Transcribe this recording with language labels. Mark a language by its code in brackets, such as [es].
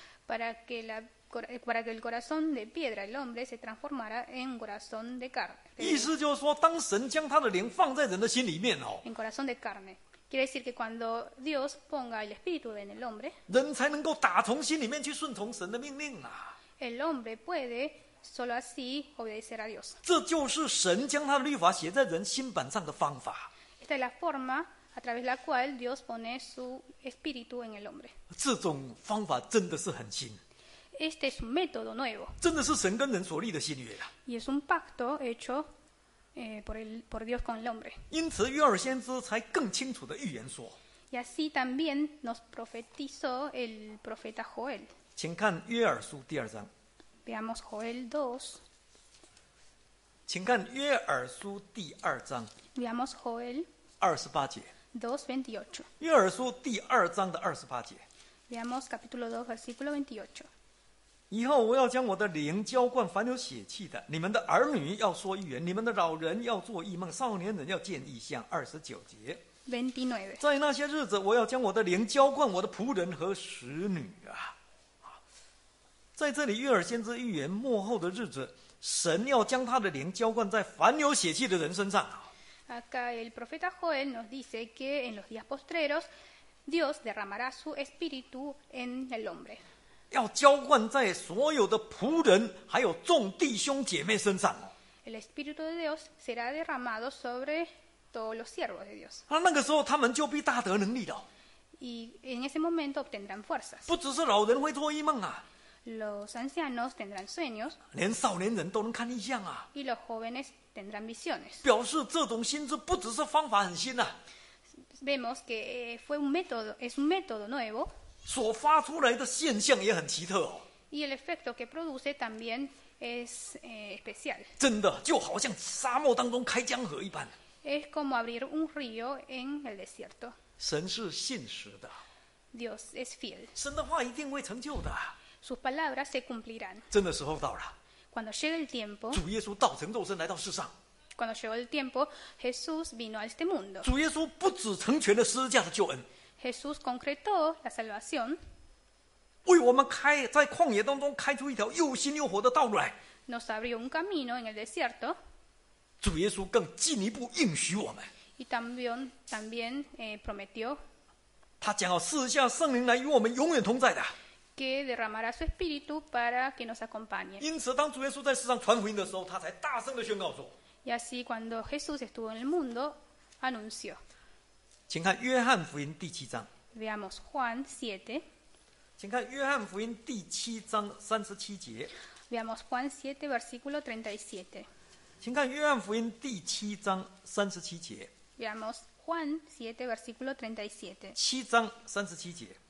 [es] Para que la para que el corazón de piedra el hombre se transformara en un corazón de carne. [zh] 意思就是说，当神将他的灵放在人的心里面哦。 [es] En corazón de carne. Quiere decir que cuando Dios ponga el espíritu en el hombre, [zh] 人才能够打从心里面去顺从神的命令啊。 [es] El hombre puede solo así obedecer a Dios. [zh] 这就是神将他的律法写在人心板上的方法。 [es] Esta es la forma a través de la cual Dios pone su espíritu en el hombre. [zh] 这种方法真的是很新。 [es] Este es un método nuevo. [zh] 真的是神跟人所立的新约啊。 [es] Y es un pacto hecho por Dios con el hombre. [zh] 因此约珥先知才更清楚的预言说。 [es] Y así también nos profetizó el profeta Joel. [zh] 请看约珥书第二章。 [es] Veamos Joel 2. [zh] 请看约珥书第二章。 [es] Veamos Joel [zh] 28节。 [es] 2:28. [zh] 约珥书第二章的28节。 [es] Veamos capítulo 2 versículo 28. [zh] 以后我要将我的灵浇灌凡有血气的，你们的儿女要说预言，你们的老人要做异梦，少年人要见异象。 29节。 [es] 29. [zh] 在那些日子，我要将我的灵浇灌我的仆人和使女啊。在这里，约珥先知预言末后的日子，神要将他的灵浇灌在凡有血气的人身上。 [es] Acá el profeta Joel nos dice que en los días postreros Dios derramará su espíritu en el hombre. [zh] 要浇灌在所有的仆人还有众弟兄姐妹身上。 [es] El espíritu de Dios será derramado sobre todos los siervos de Dios. [zh] 那个时候他们就必大得能力了。 [es] Y en ese momento obtendrán fuerzas. [zh] 不只是老人会做异梦啊。 [es] Los ancianos tendrán sueños. [zh] 连少年人都能看异象啊。 [es] Y los jóvenes tendrán visiones. [zh] 表示这种心智不只是方法很新啊。 [es] Vemos que fue un método, es un método nuevo. [zh] 所发出来的现象也很奇特哦。 [es] Y el efecto que produce también es especial. [zh] 真的，就好像沙漠当中开江河一般。 [es] Es como abrir un río en el desierto. [zh] 神是信实的。 [es] Dios es fiel. [zh] 神的话一定会成就的。 [es] Sus palabras se cumplirán. [zh] 真的时候到了。 [es] Cuando llegue el tiempo. [zh] 主耶稣道成肉身来到世上。 [es] Cuando llegó el tiempo, Jesús vino a este mundo. [zh] 主耶稣不只成全了十字架的救恩。 [es] Jesús concretó la salvación. [zh] 为我们开在旷野当中开出一条又新又活的道路来。 [es] Nos abrió un camino en el desierto. [zh] 主耶稣更进一步应许我们。 [es] Y también prometió. [zh] 他将要赐下圣灵来与我们永远同在的。 [es] Que derramará su espíritu para que nos acompañe. [zh] 因此，当主耶稣在世上传福音的时候，他才大声的宣告说。 [es] Y así cuando Jesús estuvo en el mundo, anunció. [zh] 请看约翰福音第七章。 [es] Veamos Juan 7. [zh] 请看约翰福音第七章37节。 [es] Veamos Juan 7, versículo 37. [zh] 请看约翰福音第七章37节。 [es] Veamos Juan 7, versículo 37. [zh] 七章37节。